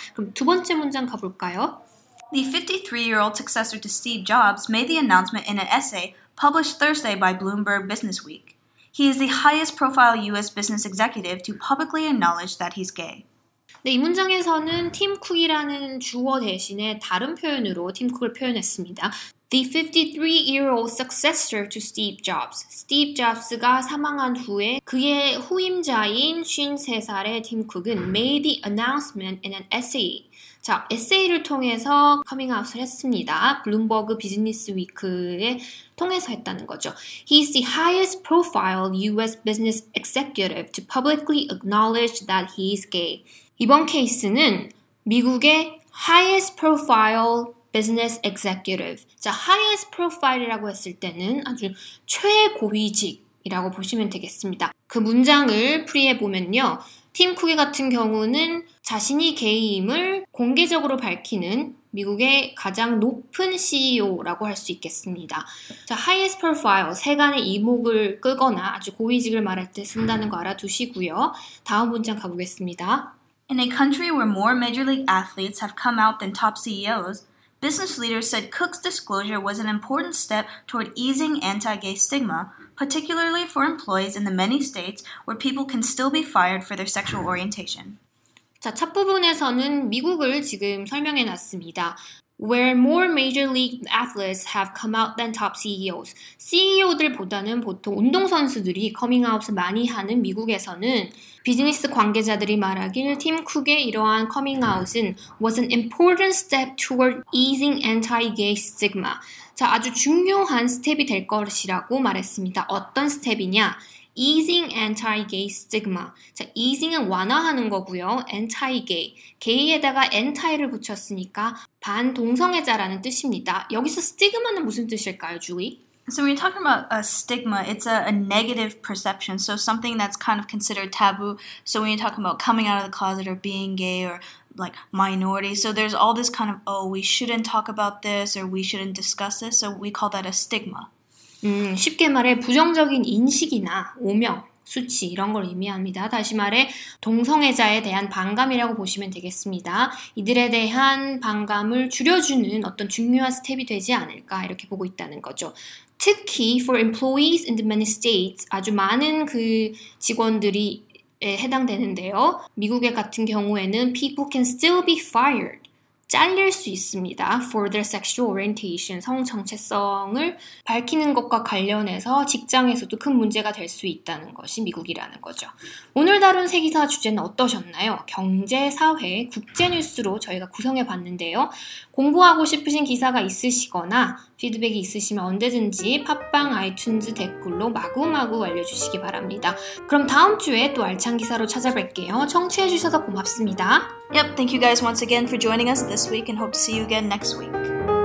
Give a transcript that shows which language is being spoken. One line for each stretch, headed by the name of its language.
Korean: 그럼 두 번째 문장 가볼까요?
English: The 53-year-old successor to Steve Jobs made the announcement in an essay published Thursday by Bloomberg Businessweek. He is the highest profile U.S. business executive to publicly acknowledge that he's gay.
Korean: 네, 이 문장에서는 팀 쿡이라는 주어 대신에 다른 표현으로 팀 쿡을 표현했습니다.
English: The 53-year-old successor to Steve Jobs.
Korean: Steve Jobs가 사망한 후에 그의 후임자인 53살의 팀 쿡은
English: made the announcement in an essay.
Korean: 자, 에세이를 통해서 커밍아웃을 했습니다. 블룸버그 비즈니스 위크에 통해서 했다는 거죠.
English: He's the highest profile US business executive to publicly acknowledge that he's gay.
Korean: 이번 케이스는 미국의
English: highest profile business executive.
Korean: 자, highest profile이라고 했을 때는 아주 최고위직이라고 보시면 되겠습니다. 그 문장을 풀이해 보면요. 팀 쿡 같은 경우는 자신이 게이임을 공개적으로 밝히는 미국의 가장 높은 CEO라고 할 수 있겠습니다. 자, highest profile, 세간의 이목을 끌거나 아주 고위직을 말할 때 쓴다는 거 알아두시고요. 다음 문장 가보겠습니다.
English: In a country where more major league athletes have come out than top CEOs, business leaders said Cook's disclosure was an important step toward easing anti-gay stigma, particularly for employees in the many states where people can still be fired for their sexual orientation.
Korean: 자, 첫 부분에서는 미국을 지금 설명해 놨습니다.
English: Where more major league athletes have come out than top CEOs.
Korean: CEO들보다는 보통 운동선수들이 커밍아웃을 많이 하는 미국에서는 비즈니스 관계자들이 말하길 팀 쿡의 이러한 커밍아웃은
English: was an important step toward easing anti-gay stigma.
Korean: 자, 아주 중요한 스텝이 될 것이라고 말했습니다. 어떤 스텝이냐?
English: Easing anti-gay stigma.
Korean: 자, easing은 완화하는 거고요. anti-gay. gay에다가 anti를 붙였으니까 반동성애자라는 뜻입니다. 여기서 stigma는 무슨 뜻일까요, Julie?
English: So when you're talking about a stigma, it's a negative perception. So something that's kind of considered taboo. So when you're talking about coming out of the closet or being gay or like minority. So there's all this kind of, oh, we shouldn't talk about this or we shouldn't discuss this. So we call that a stigma.
Korean: 쉽게 말해 부정적인 인식이나 오명, 수치 이런 걸 의미합니다. 다시 말해 동성애자에 대한 반감이라고 보시면 되겠습니다. 이들에 대한 반감을 줄여주는 어떤 중요한 스텝이 되지 않을까 이렇게 보고 있다는 거죠. 특히
English: for employees in the many states,
Korean: 아주 많은 그 직원들이 해당되는데요. 미국의 같은 경우에는
English: people can still be fired.
Korean: 잘릴 수 있습니다.
English: For their sexual orientation,
Korean: 성 정체성을 밝히는 것과 관련해서 직장에서도 큰 문제가 될 수 있다는 것이 미국이라는 거죠. 오늘 다룬 세기사 주제는 어떠셨나요? 경제, 사회, 국제 뉴스로 저희가 구성해 봤는데요. 공부하고 싶으신 기사가 있으시거나 피드백이 있으시면 언제든지 팟빵, 아이튠즈 댓글로 마구마구 알려주시기 바랍니다. 그럼 다음 주에 또 알찬 기사로 찾아뵐게요. 청취해 주셔서 고맙습니다.
English: Yep, thank you guys once again for joining us this week and hope to see you again next week.